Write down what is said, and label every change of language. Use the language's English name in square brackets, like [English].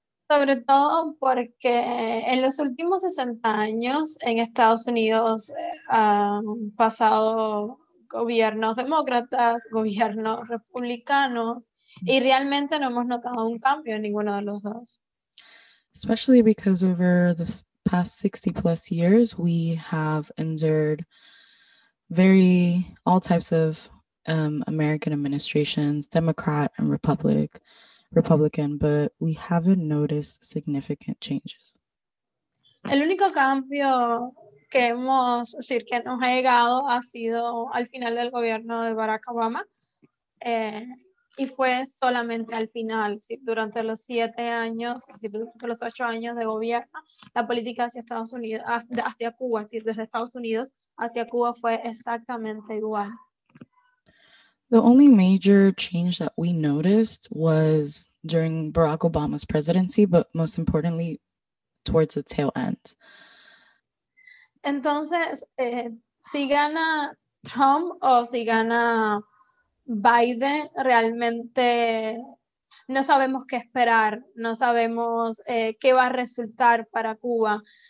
[Spanish] Sobre todo porque en los últimos 60 años en Estados Unidos han pasado gobiernos demócratas, gobiernos republicanos, y realmente no hemos notado un cambio en ninguno de los dos. [English] Especially because over the past 60 plus years, we have endured all types of American administrations, Democrat and Republican, but we haven't noticed significant changes. [Spanish] El único cambio que hemos, es decir, que nos ha llegado ha sido al final del gobierno de Barack Obama, y fue solamente al final, ¿sí? Durante los 7 años, ¿sí? Durante los 8 años de gobierno, la política hacia Estados Unidos, hacia Cuba, ¿sí? Desde Estados Unidos hacia Cuba fue exactamente igual. [English] The only major change that we noticed was during Barack Obama's presidency, but most importantly, towards the tail end. [Spanish] Entonces, si gana Trump o si gana Biden, realmente no sabemos qué esperar, no sabemos qué va a resultar para Cuba.